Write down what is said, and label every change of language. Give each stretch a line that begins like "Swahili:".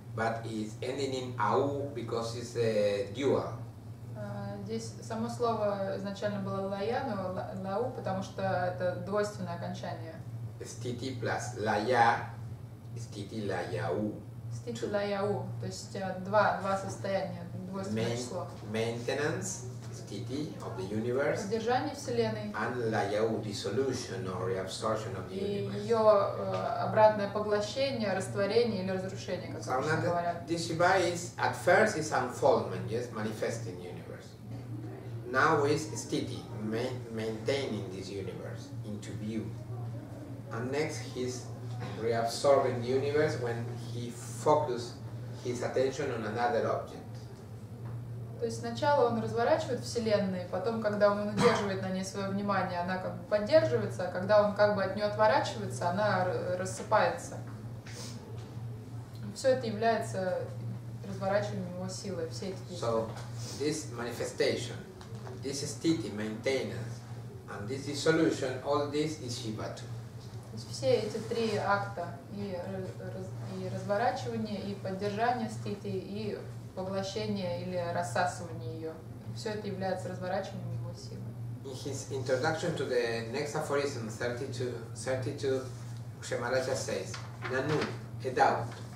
English: But it's ending in au because it's a dual.
Russian: Здесь само слово изначально было лая, но лау, потому что это двойственное окончание.
Sanskrit: Стити плюс лая, стити лаяу. Стити лаяу,
Russian: то есть два состояния, двойственное число.
English: Maintenance, стити of the universe.
Russian: Поддержание Вселенной.
English: And лаяу, dissolution or reabsorption of the universe.
Russian: И ее обратное поглощение, растворение или разрушение, как обычно говорят.
English: This Shiva is at first is unfoldment, yes, manifesting universe. Now is stiti, maintaining this universe into view. And next he's reabsorbing the universe when he focuses his attention on another object.
Russian: То есть сначала он разворачивает Вселенную, потом, когда он удерживает на ней свое внимание, она как бы поддерживается, а когда он как бы от нее отворачивается, она рассыпается. Все это является разворачиванием его силы, все эти действия.
English: So, this manifestation, this esthiti, maintenance, and this dissolution, all this is Shiva too.
Russian: То есть все эти три акта, и разворачивание, и поддержание эстхити, и поглощение или рассасывание ее. Все это является разворачиванием его силы.
English: In his introduction to the next aphorism 32, Кшемараджа says, Нану, a doubt.